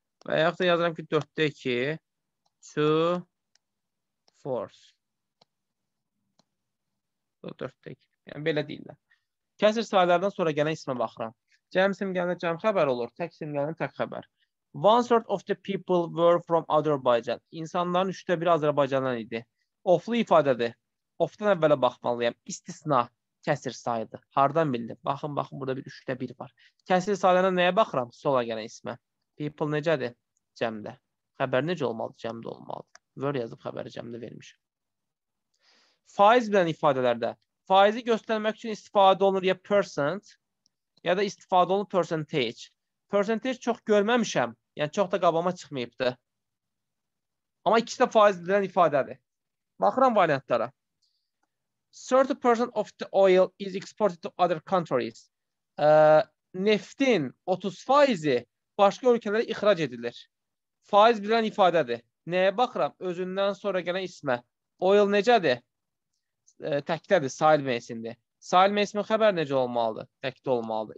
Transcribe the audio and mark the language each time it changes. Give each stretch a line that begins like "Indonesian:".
Azerbaijani: Və yaxud da yazıram ki, 4-də 2, 2, 4. 4-də 2. Yəni, belə deyirlər. Kəsir saylardan sonra gələn ismə baxıram. Cəm isim gələn cəm xəbər olur. Tək isim gələn tək xəbər.
English: One third of the people were from Azerbaijan.
Azerbaijani: İnsanların üçdə biri Azərbaycandan idi. Oflu ifadədir. Ofdan əvvələ baxmalıyam. İstisna kəsir sayıdır. Hardan bildim? Baxın, baxın, burada bir üçdə bir var. Kəsir saylarına nəyə baxıram? Sola gələn ismə. People necədir? Cəmdə. Xəbər necə olmalıdır? Cəmdə olmalıdır. Word yazıb xəbəri cəmdə vermiş. Faiz bilən ifadələrdə faizi göstərmək üçün istifadə olunur ya percent, ya da istifadə olunur percentage. Percentage çox görməmişəm, yəni çox da qabama çıxmayıbdır. Amma ikisi də faiz bilən ifadədir. Baxıram variantlara.
English: 30% of the oil is exported to other countries.
Azerbaijani: Neftin 30%-i başqa ölkələrə ixrac edilir. Faiz bilən ifadədir. Nəyə baxıram? Özündən sonra gələn ismə. Oil necədir? Təkdədir, sahil meysindir. Sahil meysinin xəbər necə olmalıdır? Təkdə olmalıdır.